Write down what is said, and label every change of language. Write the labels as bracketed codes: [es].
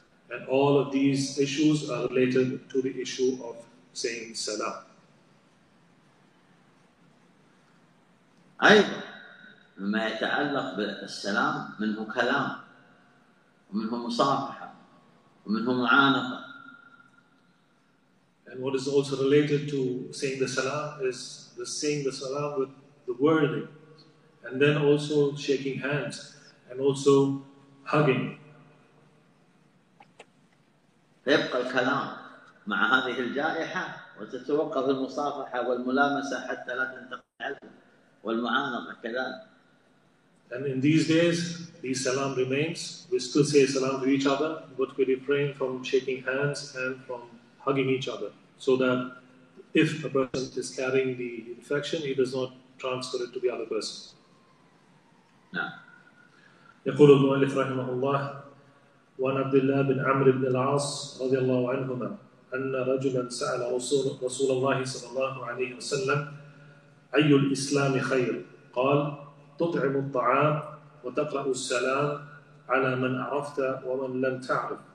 [en] And all of these issues are related to the issue of saying salam. [ar] أيضا مما يتعلق بالسلام منه كلام ومنه مصافحة ومنه معانقة. [en] And what is also related to saying the salam is the saying the salam with the wording, and then also shaking hands and also hugging. [ar] فيبقى الكلام مع هذه الجائحة وتتوقف المصافحة والملامسة حتى لا تنتقل والمعانقة كذلك. [en] And in these days, the salam remains. We still say salam to each other, but we refrain from shaking hands and from hugging each other, so that if a person is carrying the infection, he does not transfer it to the other person. [ar] يقول المؤلف رحمه الله وعن عبد الله بن عمرو بن العاص رضي الله عنهما أن رجلا سأل رسول الله صلى الله عليه وسلم أي الإسلام خير؟ قال تطعم الطعام وتقرأ السلام على من عرفت ومن لم تعرف.